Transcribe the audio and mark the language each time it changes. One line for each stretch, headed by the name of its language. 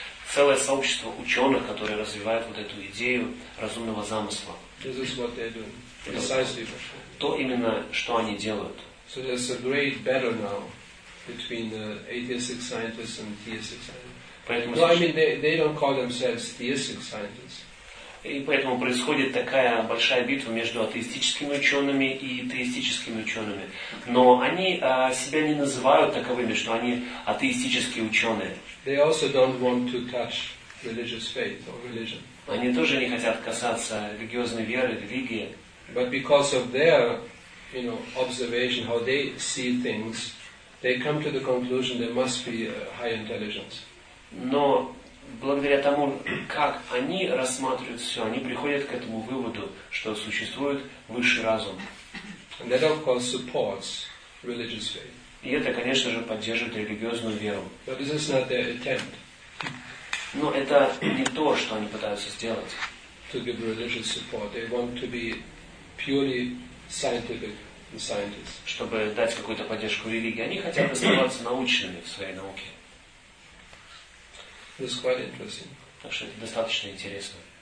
Russian: Целое сообщество ученых, которые развивают вот эту идею разумного замысла.
English: This is what they're doing. Precisely.
Russian: То именно, что они делают.
English: So there's a great battle now between the atheistic scientists and theistic scientists. No, I mean they don't call themselves theistic scientists.
Russian: И поэтому происходит такая большая битва между атеистическими учеными и теистическими учеными. Но они себя не называют таковыми, что они атеистические ученые.
English: They also don't want to touch religious faith or religion.
Russian: Они тоже не хотят касаться религиозной веры, религии.
English: But because of their, observation, how they see things, they come to the conclusion there must be high intelligence.
Russian: Но благодаря тому, как они рассматривают все, они приходят к этому выводу, что существует высший разум.
English: And that of course supports religious faith.
Russian: И это, конечно же, поддерживает религиозную веру.
English: But this is not their attempt.
Russian: Но это не то, что они пытаются сделать.
English: To give religious support. They want to be purely scientific and scientists.
Russian: Чтобы дать какую-то поддержку религии. Они хотят оставаться научными в своей науке.
English: This is quite interesting.
Russian: Так что это достаточно интересно.